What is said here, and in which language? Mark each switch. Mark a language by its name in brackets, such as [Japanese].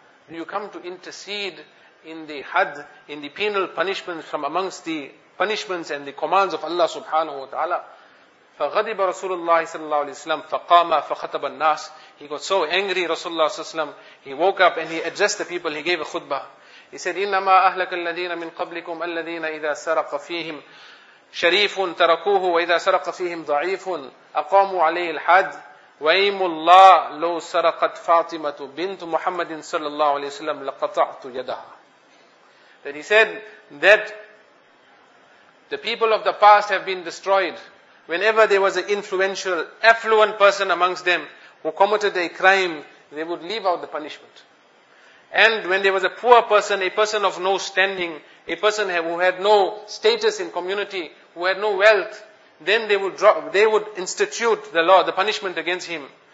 [English] Do you come to intercede in the had, in the penal punishments from amongst the punishments and the commands of Allah subhanahu wa ta'ala? [Arabic] فَغَضِبَ رَسُولُ اللَّهِ صَلَّى اللَّهُ عَلَيْهِ وَسَلَّمَ فَقَامَ فَخَطَبَ النَّاسِ. [English] He got so angry, Rasulullah sallallahu alayhi wa sallam. He woke up and he addressed the people. He gave a khutbah. He said, [Arabic] إِنَّمَا أَهْلَكَ الَّذِينَ مِنْ قَبْلِكُمْ الَّذِينَ إِذَا سَرَقَ فِيهِمْ شَرِيفٌ تَرَكُوهُ وَإِذَا سَرَقَ فِيهِمْ ضَعِيفٌ أَقَامُوا عَلَيْهِ الْحَدَّ وَإِمُّ اللَّهِ لَوْ سَرَقَتْ فَاطِمَةُ بِنْتُ مُحَمَّدٍ صَلَّى اللَّهُ عَلَيْهِ وَسَلَّمَ لَقَطَعْتُ يَدَهَا. [English] Then he said that The people of the past have been destroyed. Whenever there was an influential, affluent person amongst them who committed a crime, they would leave out the punishment. And when there was a poor person, a person of no standing, a person who had no status in community, who had no wealth, then they would institute the law, the punishment against him.